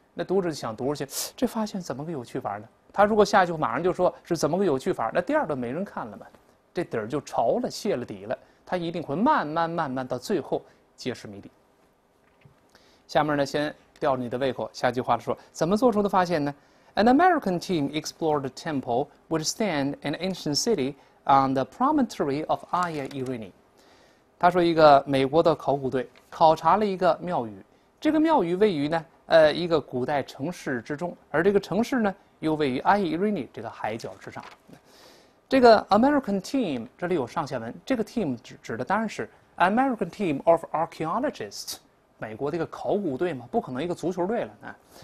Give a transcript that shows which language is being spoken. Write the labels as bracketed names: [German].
[Chinese] 那读者就想读出去，这发现怎么个有趣法呢？他如果下一句马上就说是怎么个有趣法，那第二段没人看了嘛，这底儿就潮了，泄了底了。他一定会慢慢慢慢到最后揭示谜底。下面呢，先吊你的胃口。下句话说，怎么做出的发现呢？ [English] An American team explored a temple which stand an ancient city on the promontory of Aia Irini. [Chinese] 他说一个美国的考古队考察了一个庙宇，这个庙宇位于呢一个古代城市之中，而这个城市呢又位于 Aia Irini 这个海角之上。这个 American team 这里有上下文，这个 team 指的当然是 [English] American team of archaeologists， [Chinese] 美国的一个考古队嘛，不可能一个足球队了呢。